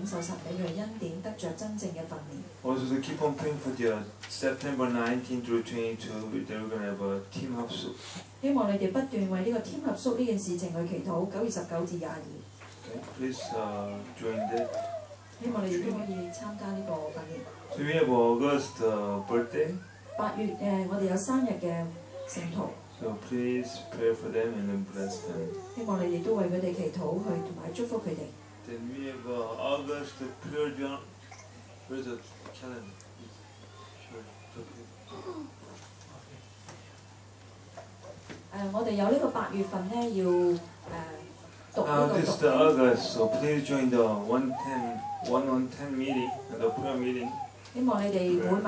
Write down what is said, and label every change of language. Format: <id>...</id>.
<zh>希望你們大家都為他們祈禱,領受神給他們恩典,得著真正的訓練.</zh> <en>Also, they keep on praying for their September 19 through 22, they're going to have a team up soup.</en> <zh>希望你們不斷為這個team合宿這件事情去祈禱, 9月19至22.</zh> <en>Okay, please join that.</en> <zh>希望你們都可以參加這個訓練.</zh> <en>So we have August birthday.</en> <zh>8月,我們有生日的聖徒.</zh> <en>So please pray for them and then bless them.</en> <zh>希望你們都為他們祈禱,和祝福他們.</zh> <en>Then we have August the prayer journal. Where's the calendar? Sure.</en> <zh>我們有這個8月份要讀這個讀經.</zh> <en>This is the August, so please join the 1-on-10 meeting, the prayer meeting.</en>